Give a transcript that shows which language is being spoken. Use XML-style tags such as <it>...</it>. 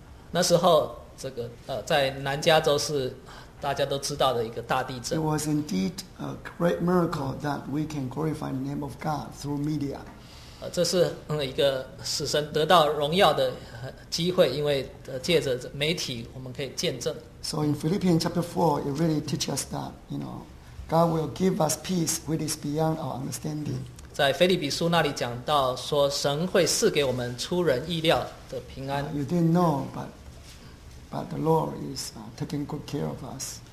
<zh>那时候这个在南加州是大家都知道的一个大地震。</zh> <en>It was indeed a great miracle that we can glorify the name of God through media.</en> <zh>这是一个使神得到荣耀的机会，因为借着媒体我们可以见证。</zh> <en>So in Philippians chapter 4, it really teaches us that, you know,God will give us peace which is beyond our understanding.</en> <zh>在腓立比书那里讲到说神会赐给我们出人意料的平安。</zh> <en>You didn't know, but the Lord is taking good care of us.</en>